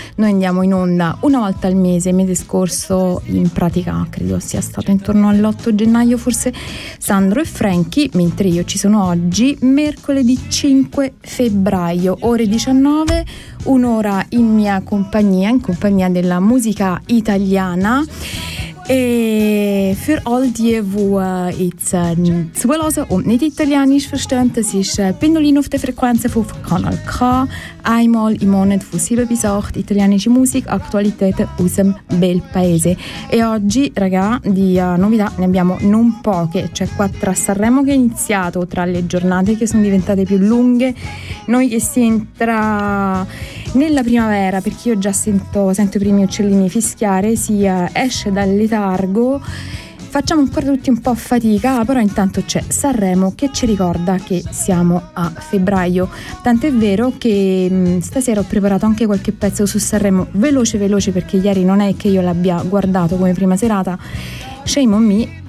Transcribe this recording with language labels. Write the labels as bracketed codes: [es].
[it] Noi andiamo in onda una volta al mese, mese scorso in pratica credo sia stato intorno all'8 gennaio forse Sandro e Frankie, mentre io ci sono oggi mercoledì 5 febbraio, ore 19, un'ora in mia compagnia, in compagnia della musica italiana. [de] E für all die, wo jetzt zuhören und nicht Italienisch verstehen, das ist Pendolino auf der Frequenz von Kanal K. Einmal im Monat von 7 bis 8 italienische Musik, Aktualitäten aus dem bel paese. [it] E oggi, raga, di novità ne abbiamo non poche. Cioè qua tra Sanremo che è iniziato, tra le giornate che sono diventate più lunghe, noi che si entra nella primavera, perché io già sento i primi uccellini fischiare, si esce dal letargo, facciamo ancora tutti un po' fatica, però intanto c'è Sanremo che ci ricorda che siamo a febbraio, tant'è vero che stasera ho preparato anche qualche pezzo su Sanremo, veloce veloce perché ieri non è che io l'abbia guardato come prima serata, [en] shame on me.